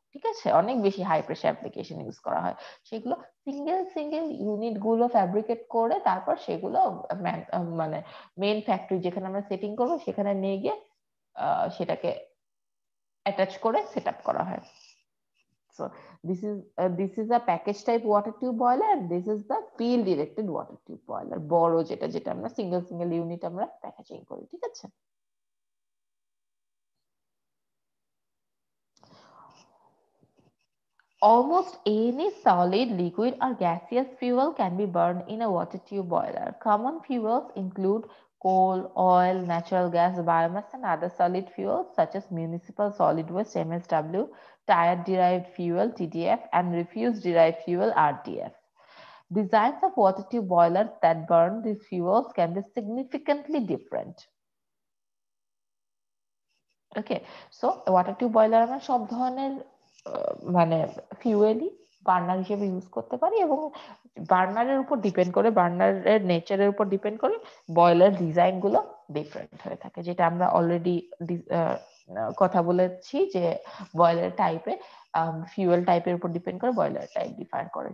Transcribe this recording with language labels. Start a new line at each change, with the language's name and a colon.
Bangla: ঠিক আছে, অনেক বেশি হাই প্রেশার অ্যাপ্লিকেশন ইউজ করা হয়, সেগুলো সিঙ্গেল সিঙ্গেল ইউনিট গুলো ফ্যাব্রিকেট করে তারপর সেগুলো মানে মেইন ফ্যাক্টরি যেখানে আমরা সেটিং করব সেখানে নিয়ে গিয়ে সেটাকে অ্যাটাচ করে সেট আপ করা হয়।
English: so this is a package type water tube boiler, this is the field directed water tube boiler,
Bangla: বড় যেটা যেটা আমরা সিঙ্গেল সিঙ্গেল ইউনিট আমরা প্যাকেজিং করি।
English: ঠিক আছে, almost any solid, liquid or gaseous fuel can be burned in a water tube boiler. Common fuels include coal, oil, natural gas, biomass and other solid fuels such as municipal solid waste MSW, tire derived fuel TDF and refuse derived fuel RDF. Designs of water tube boilers that burn these fuels can be significantly different.
Bangla: Okay, so water tube boiler amra sob dhoroner মানে ফিউয়েলই burner হিসেবে use করতে পারি, এবং বার্নারের উপর depend করে, বার্নারের নেচারের উপর depend করে বয়লার ডিজাইন গুলো ডিফারেন্ট হয়ে থাকে, যেটা আমরা অলরেডি কথা বলেছি যে বয়লার টাইপে ফিউয়েল টাইপের উপর ডিপেন্ড করে বয়লার টাইপ ডিফাইন করে।